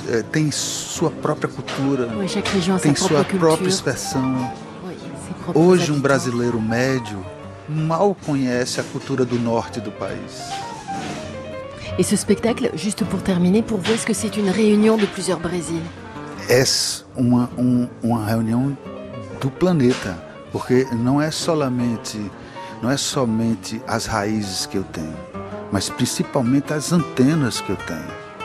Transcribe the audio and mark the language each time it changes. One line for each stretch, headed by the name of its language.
Portuguese: tem sua própria cultura, tem sua própria expressão. Hoje um brasileiro médio mal conhece a cultura do norte do país. E esse espetáculo,
French: juste pour terminer, pour vous, est-ce que c'est une réunion de plusieurs Brésils?
Portuguese: É uma reunião do planeta, porque não é somente as raízes que eu tenho, mas principalmente as antenas que eu tenho.